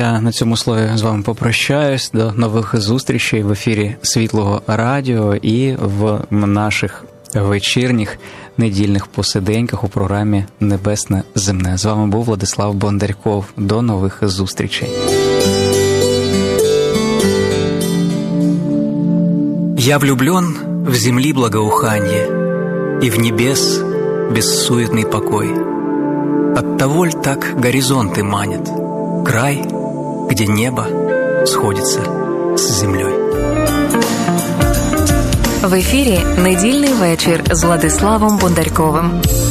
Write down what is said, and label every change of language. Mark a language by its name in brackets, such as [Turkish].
[Ukrainian] На цьому слові з вами попрощаюсь. До нових зустрічей в ефірі Світлого Радіо і в наших вечірніх недільних посиденьках у програмі «Небесне земне». З вами був Владислав Бондарьков. До нових зустрічей. [Russian] Я влюблен в земли благоуханье и в небес бессуетный покой. Оттого ль так горизонты манят, край, где небо сходится с землей. [Ukrainian] В ефірі недільний вечір з Владиславом Бондарьковим.